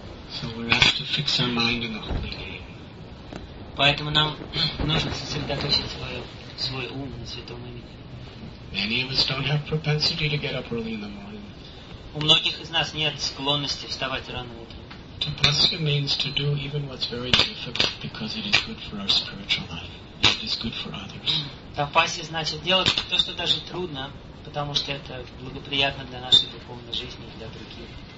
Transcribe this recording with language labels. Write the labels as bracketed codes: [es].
[en] So we have to fix our mind in the holy name. [ru] Поэтому нам нужно сосредоточить свой ум на святом имени. [en] Many of us don't have propensity to get up early in the morning. [ru] У многих из нас нет склонности вставать рано утром. [en] Tapasya means to do even what's very difficult because it is good for our spiritual life. It is good for others. [ru] Tapasya значит делать то, что даже трудно, потому что это благоприятно для нашей духовной жизни и для других.